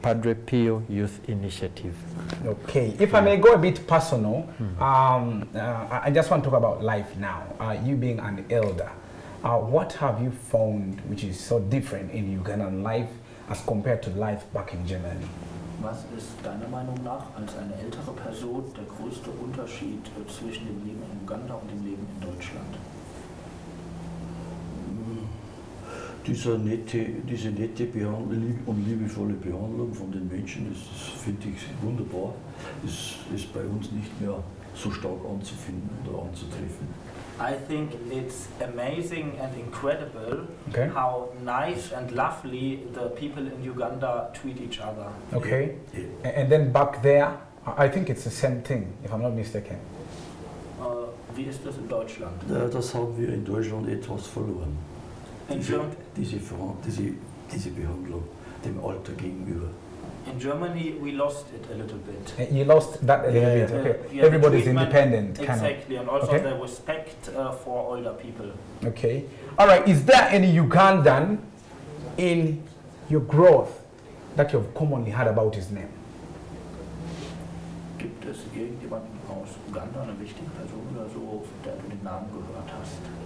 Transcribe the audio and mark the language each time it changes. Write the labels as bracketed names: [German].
[English] Padre Pio Youth Initiative. Okay. If I may go a bit personal, I just want to talk about life now. You being an elder, What have you found which is so different in Ugandan life as compared to life back in Germany? [German] Was ist deiner Meinung nach als eine ältere Person der größte Unterschied zwischen dem Leben in Uganda und dem Leben in Deutschland? Diese nette Behandlung und liebevolle Behandlung von den Menschen, das finde ich wunderbar, ist bei uns nicht mehr so stark anzufinden oder anzutreffen. [English] I think it's amazing and incredible how nice and lovely the people in Uganda treat each other. Okay. Yeah. And then back there, I think it's the same thing, if I'm not mistaken. [German] Wie ist das in Deutschland? Das haben wir in Deutschland etwas verloren. Diese Behandlung dem Alter gegenüber. [English] In Germany, we lost it a little bit. You lost that a little bit. Okay. Everybody's independent. Exactly. And also the respect for older people. Okay. All right. Is there any Ugandan in your growth that you've commonly heard about his name? [German] Gibt es irgendjemanden aus Uganda, eine wichtige Person oder so, der du den Namen gehört hast?